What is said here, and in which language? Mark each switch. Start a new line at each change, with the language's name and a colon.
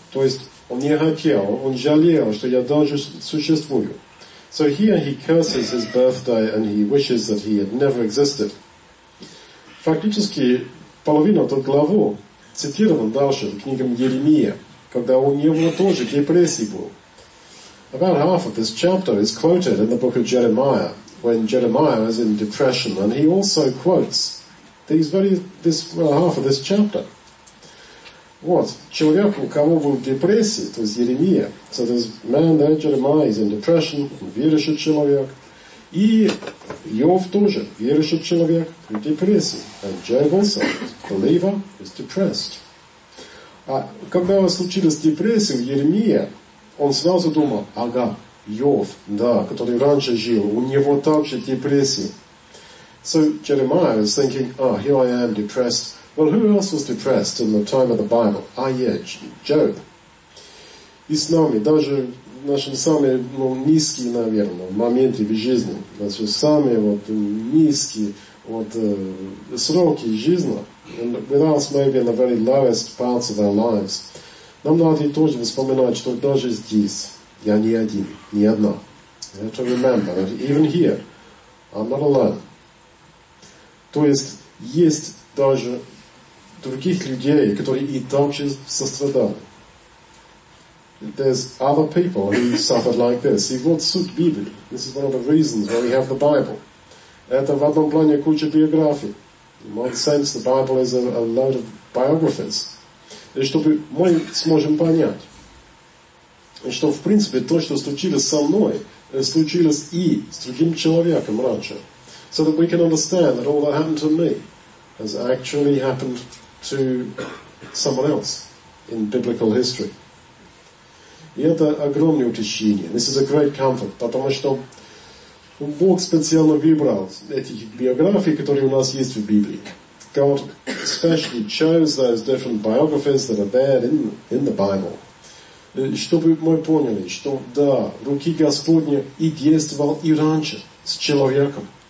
Russian: То есть он не хотел, он жалел, что я даже существую.
English: So here he curses his birthday and he wishes that he had never existed.
Russian: Фактически, половина от главы цитирована дальше книгам Еремия. Когда у него тоже депрессия была.
English: About half of this chapter is quoted in the book of Jeremiah, when Jeremiah is in depression, and he also quotes half of this chapter.
Russian: Вот, человек, у кого был депрессия, то есть Еремия.
English: So this man there, Jeremiah, is in depression,
Russian: верующий человек. И Иов тоже, верующий человек, в депрессии.
English: And Job also, believer, is depressed.
Russian: А когда случилась депрессия в Еремии, он сразу думал, ага, Иов, да, который раньше жил, у него также депрессия.
English: So Jeremiah was thinking, ah, here I am depressed. Well, who else was depressed in the time of the Bible? Ah, yeah, Job.
Russian: И с нами, даже в нашем самом, ну, низком, наверное, моменте в жизни, наши самые вот низкие вот сроки жизни,
English: and with us, maybe in the very lowest parts of our lives.
Russian: Нам надо и тоже вспоминать, что даже здесь я не один, не одна.
English: You have to remember that even here, I'm not alone.
Russian: То есть, есть даже других людей, которые и также сострадали.
English: There's other people who suffered like this.
Russian: И вот суть Библии.
English: This is one of the reasons why we have the Bible.
Russian: Это в одном плане куча биографий.
English: In one sense, the Bible is a load of biographies.
Russian: И чтобы мы сможем понять, что, в принципе, то, что случилось со мной, случилось и с другим человеком раньше.
English: So that we can understand that all that happened to me has actually happened to someone else in biblical history.
Russian: И это огромное утешение.
English: This is a great comfort,
Russian: потому что Бог специально выбрал этих биографий, которые у нас есть в Библии.
English: God specially chose those different biographies that are there in the Bible.
Russian: Чтобы мы поняли, что да, руки Господня и действовал и раньше с человеком.